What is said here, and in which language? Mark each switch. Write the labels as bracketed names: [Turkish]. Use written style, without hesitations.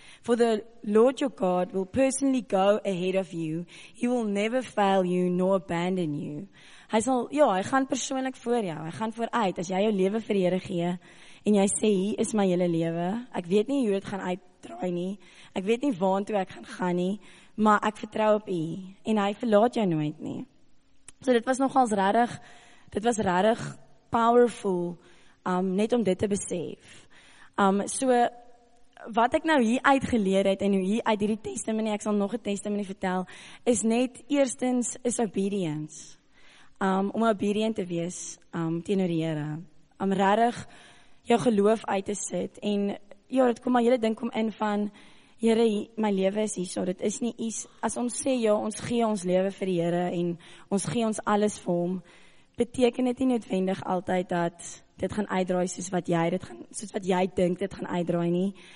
[English] For the Lord your God will personally go ahead of you, he will never fail you, nor abandon you. [Afrikaans] Hy sal, ja, hy gaan persoonlik voor jou, hy gaan vooruit, as jy jou lewe vir die Here gee, en jy sê, hier is my hele lewe, ek weet nie hoe dit gaan uitdraai nie, ek weet nie waar toe ek gaan gaan nie, maar ek vertrou op hy, en hy verlaat jou nooit nie. So dit was nogals rarig, dit was rarig powerful, net om dit te besef. So, wat ek nou hier uitgeleer het, en hier uit die testimony, ek sal nog een testimony vertel, is net, eerstens, is obedience. Om obedient te wees, teenoor die Here. Om rarig jou geloof uit te sit, en ja, dit kom maar julle ding kom in van, Here, my lewe is hier so, dit is nie iets, as ons sê, ja, ons gee ons lewe vir die Here, en ons gee ons alles vir hom, beteken dit nie noodwendig altyd dat dit gaan uitdraai soos wat jy dit gaan, soos wat jy dink dit gaan uitdraai nie.